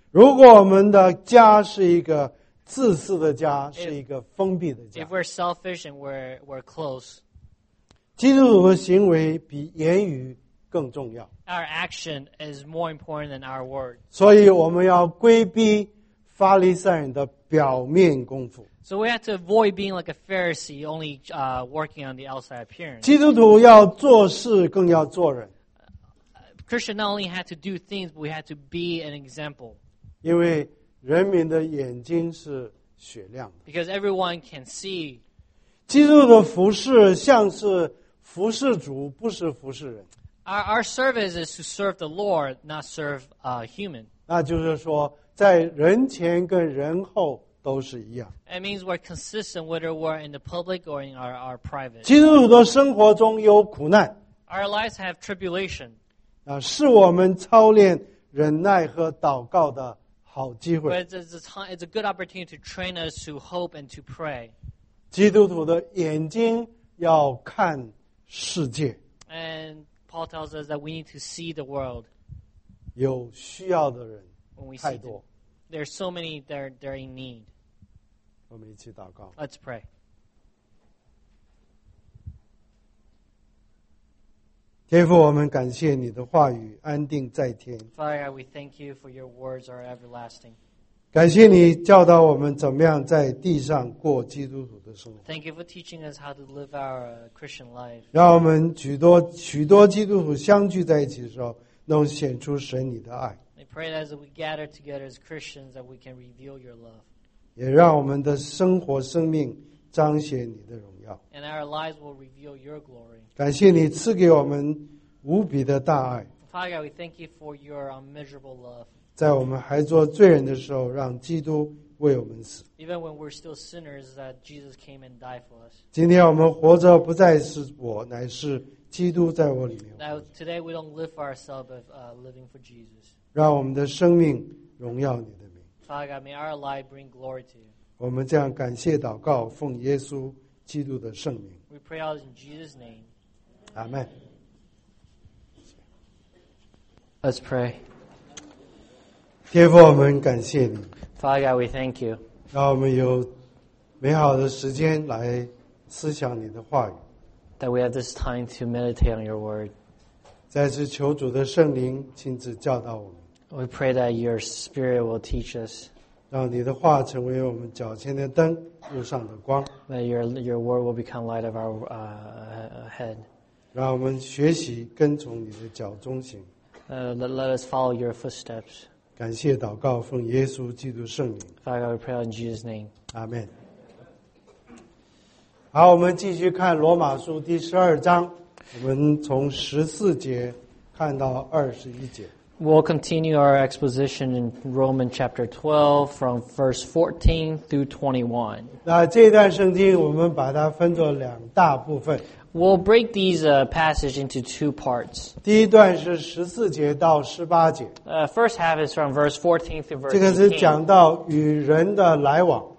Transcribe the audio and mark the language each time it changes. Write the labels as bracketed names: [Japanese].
[Chinese] 如果我们的家是一个自私的家，是一个封闭的家。 [English] If we're selfish and we're close. [Chinese] 基督徒的行为比言语更重要。 [English] Our action is more important than our word. [Chinese] 所以我们要规避法利赛人的表面功夫。 [English] So we have to avoid being like a Pharisee, only working on the outside appearance. [Chinese] 基督徒要做事更要做人。 [English] Christian not only had to do things, but we had to be an example. [Chinese] 因为人民的眼睛是雪亮的。 [English] Because everyone can see. [Chinese] 基督的服侍像是服侍主，不是服侍人。 [English] Our service is to serve the Lord, not serve a human. [Chinese] 那就是说，在人前跟人后都是一样。 [English] It means we're consistent whether we're in the public or in our private. [Chinese] 基督徒的生活中有苦难。 [English] Our lives have tribulation. [Chinese] 是我们操练忍耐和祷告的好机会。 [English] But it's a good opportunity to train us to hope and to pray. [Chinese] 基督徒的眼睛要看世界。 [English] And Paul tells us that we need to see the world. [Chinese] 有需要的人太多。 [English] There are so many that are in need. [Chinese] 我们一起祷告。 [English] Let's pray. [Chinese] 天父，我们感谢你的话语安定在天。 [English] Father, we thank you for your words are everlasting. [Chinese] 感谢你教导我们怎么样在地上过基督徒的生活。 [English] Thank you for teaching us how to live our Christian life. [Chinese] 让我们许多许多基督徒相聚在一起的时候，能显出神你的爱。 [English] I pray that as we gather together as Christians, that we can reveal your love. [Chinese] 也让我们的生活生命彰显你的荣耀。 [English] And our lives will reveal your glory. [Chinese] 感谢你赐给我们无比的大爱。 [English] Father God, we thank you for your unmeasurable love. [Chinese] 在我们还做罪人的时候，让基督为我们死。 [English] Even when we're still sinners, that Jesus came and died for us. [Chinese] 今天我们活着不再是我，乃是基督在我里面。 [English] Now today we don't live for ourselves, but living for Jesus. [Chinese] 让我们的生命荣耀你的名。 [English] Father God, may our life bring glory to you. [Chinese] 我们这样感谢祷告，奉耶稣基督的圣名。 [English] We pray all in Jesus' name. Amen. Let's pray. [Chinese] 天父，我们感谢你。 [English] Father God, we thank you. [Chinese] 让我们有美好的时间来思想你的话语。 [English] That we have this time to meditate on your word. [Chinese] 再次求主的圣灵亲自教导我们。 [English] We pray that your spirit will teach us. [Chinese] 让你的话成为我们脚前的灯，路上的光。 [English] That your word will become light of our head. [Chinese] 让我们学习跟从你的脚中行。 [English] Let us follow your footsteps. [Chinese] 感谢祷告，奉耶稣基督圣名。 [English] Father, we pray in Jesus' name. Amen. [Chinese] 好，我们继续看罗马书第十二章，我们从十四节看到二十一节。 [English] We'll continue our exposition in Romans chapter 12 from verse 14 through 21. [Chinese] 那这段圣经我们把它分作两大部分。 [English] We'll break these passage into two parts. [Chinese] 第一段是十四节到十八节。 [English] First half is from verse 14 through verse 18. [Chinese] 这个是讲到与人的来往。